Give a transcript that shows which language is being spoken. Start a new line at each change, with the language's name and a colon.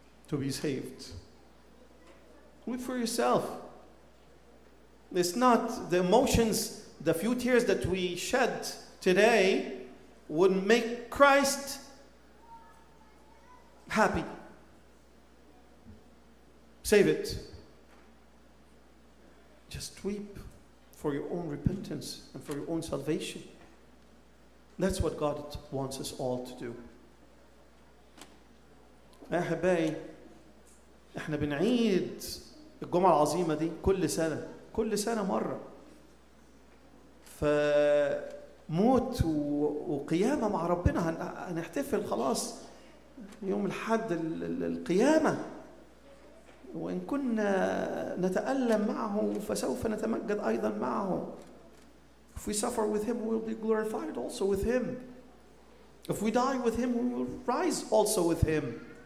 English: to be saved weep for yourself it's not the emotions the few tears that we shed today would make Christ happy save it Just weep for your own repentance and for your own salvation. That's what God wants us all to do.
Arabic: أحباي احنا بنعيد الجمعة العظيمة دي كل سنة كل سنة مرة فموت وقيامة مع ربنا هنحتفل خلاص يوم الحد القيامة وإن كنا نتألم معه فسوف نتمجد أيضا معه.
English: If we suffer with him, we will be glorified also with him. If we die with him, we will rise also with him.